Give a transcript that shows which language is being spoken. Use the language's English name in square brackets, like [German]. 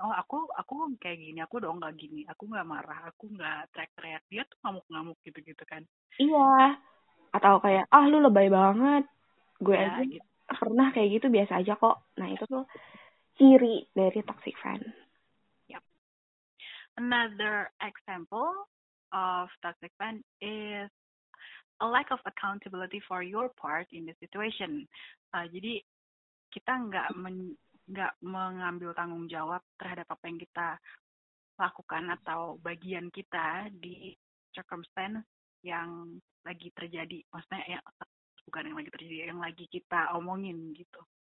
[Indonesian] Oh, aku kayak gini, aku dong gak gini, aku gak marah, aku gak teriak-teriak, dia tuh ngamuk-ngamuk gitu-gitu kan. Iya, atau kayak, ah lu lebay banget, gue ya, aja gitu. Pernah kayak gitu, biasa aja kok. Nah, itu tuh ciri dari toxic friend. [English] Yep. Another example of toxic friend is a lack of accountability for your part in the situation. [Indonesian] Jadi kita nggak mengambil tanggung jawab terhadap apa yang kita lakukan atau bagian kita di circumstance yang lagi terjadi. Maksudnya ya, bukan yang lagi terjadi, yang lagi kita omongin gitu.